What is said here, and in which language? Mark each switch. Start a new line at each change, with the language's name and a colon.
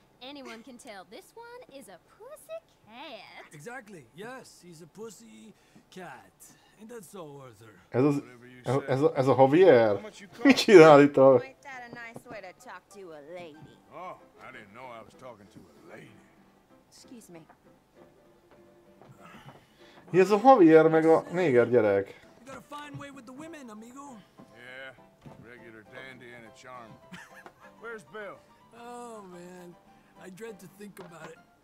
English: Anyone can tell this one is a pussy cat. Exactly. Yes, he's a pussy cat. Ain't that so, Arthur?
Hungarian: Ez a Javier. Mit csinál itt a?
English: Ain't that a nice way to talk to a lady? Oh, I didn't know I was talking to a lady. Excuse me.
Hungarian: Ez a Javier meg a néger gyerek.
English: You got a fine way with the women, amigo. Yeah, regular dandy and a charmer. Where's Bill? Oh man. I dread to think about it.